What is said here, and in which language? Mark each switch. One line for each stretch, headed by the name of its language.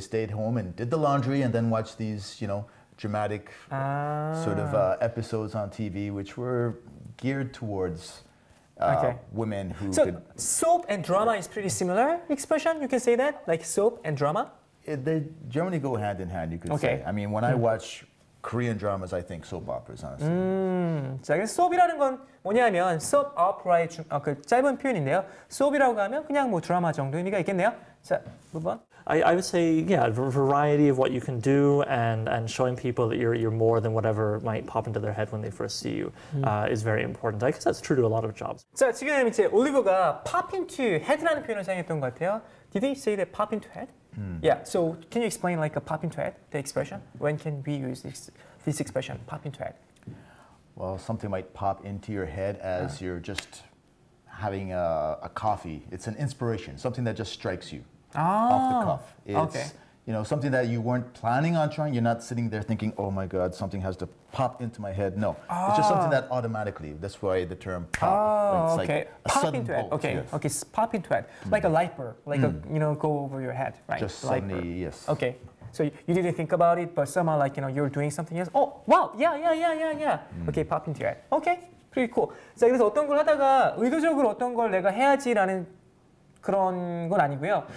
English: They stayed home and did the laundry and then watched these, you know, dramatic sort of episodes on TV, which were geared towards women who so could... So soap and drama is pretty similar expression, you can say that? Like soap and drama? They generally go hand in hand, you could okay. say. I mean, when I watch Korean dramas, I think soap operas, honestly.
Korean: 자, 그래서 soap이라는 건 뭐냐면 soap opera의 그 짧은 표현인데요. Soap이라고 하면 그냥 뭐 드라마 정도 의미가 있겠네요. 자, 한번.
English: I would say, yeah, a variety of what you can do and showing people that you're more than whatever might pop into their head when they first see you is very important. I guess that's true to a lot of jobs.
Korean: 자, 지금 이제 올리버가 pop into head라는 표현을 사용했던 것 같아요.
English: Did he say that pop into head? Yeah, so can you explain like a pop into head, the expression? When can we use this expression, pop into head? Well, something might pop into your head as you're just having a coffee. It's an inspiration, something that just strikes you. Off the cuff. It's, you know, something that you weren't planning on trying. You're not sitting there thinking, oh my God, something has to pop into my head. No, it's just something that automatically, that's why the term pop. Pop into head. Like a light bulb, like a, you know, go over your head, right? Just suddenly, yes. Okay, so you didn't think about it, but somehow like, you know, you're doing something else. Oh, wow, yeah. Mm. Okay, pop into your head. Okay, pretty cool.
Korean: 자, 그래서 어떤 걸 하다가 의도적으로 어떤 걸 내가 해야지라는 그런 건 아니고요.